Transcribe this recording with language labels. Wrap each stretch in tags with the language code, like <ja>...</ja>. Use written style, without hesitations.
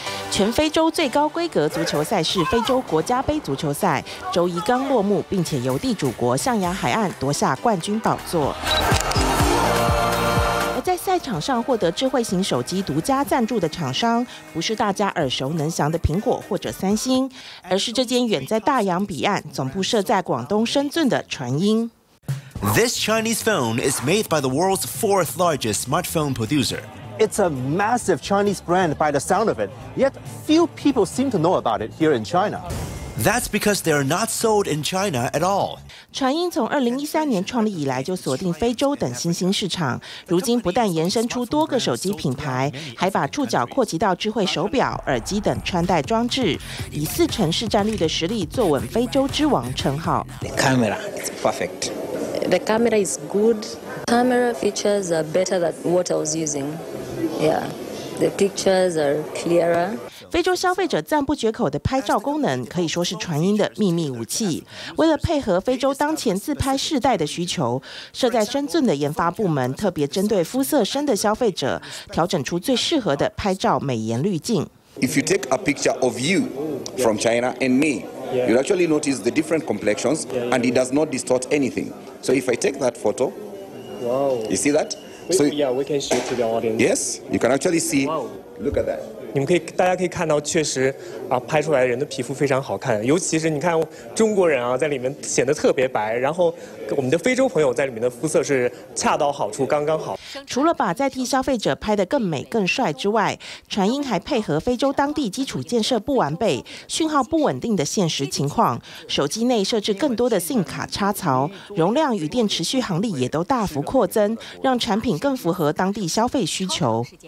<zh>全非洲最高规格足球赛事非洲国家杯足球赛周一刚落幕，并且由地主国象牙海岸夺下冠军宝座。在赛场上获得智慧型手机独家赞助的厂商，不是大家耳熟能详的苹果或者三星，而是这间远在大洋彼岸、总部设在广东深圳的传音。</zh> <en>This Chinese phone is made by the world's fourth largest smartphone producer. It's a massive Chinese brand by the sound of it. Yet few people seem to know about it here in China. That's because they're not sold in China at all.</en> <zh>传音从2013年创立以来就锁定非洲等新兴市场，如今不但延伸出多个手机品牌，还把触角扩及到智慧手表、耳机等穿戴装置，以40%市占率的实力坐稳非洲之王称号。</zh> <en>The camera is perfect. The camera is good. Camera features are better than what I was using. Yeah. The pictures are clearer.</en> <zh>非洲消费者赞不绝口的拍照功能可以说是传音的秘密武器。为了配合非洲当前自拍世代的需求，设在深圳的研发部门特别针对肤色深的消费者调整出最适合的拍照美颜滤镜。</zh> <en>If you take a picture of you from China and me, you actually notice the different complexions and it does not distort anything. So if I take that photo, you see that? So, yeah, we can show to the audience. Yes, you can actually see. Wow. Look at that.</en> <zh>你们可以，大家可以看到，确实啊，拍出来的人的皮肤非常好看，尤其是你看中国人啊，在里面显得特别白，然后我们的非洲朋友在里面的肤色是恰到好处，刚刚好。除了把在地消费者拍得更美更帅之外，传音还配合非洲当地基础建设不完备、讯号不稳定的现实情况，手机内设置更多的 SIM 卡插槽，容量与电池续航力也都大幅扩增，让产品更符合当地消费需求。</zh>